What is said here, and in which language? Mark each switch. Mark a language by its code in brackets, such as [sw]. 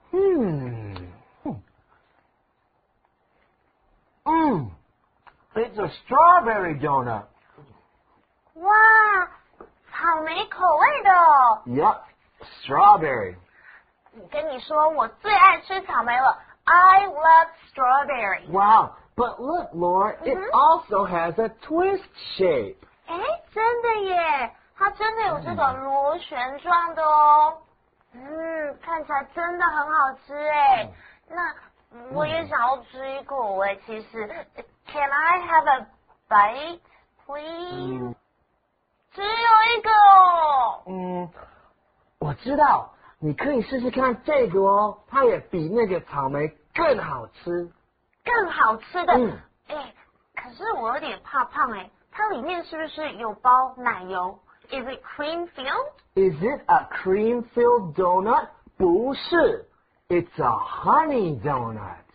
[en] It's a strawberry donut. [zh] 哇，草莓口味的。 [en] Yup, strawberry. [zh] 跟你说，我最爱吃草莓了。 [en] I love strawberry. Wow, but look, Laura,、mm-hmm. it also has a twist shape. [zh] 哎，真的耶，它真的有这个螺旋状的哦。看起来真的很好吃哎、那我也想要吃一口哎、其实 ， [en] Can I have a bite, please?、 [zh] 只有一个哦。我知道，你可以试试看这个哦，它也比那个草莓更好吃。更好吃的，可是我有点怕胖哎，它里面是不是有包奶油？ [en] Is it cream filled? Is it a cream filled donut? [zh] 不是 [en] It's a honey donut.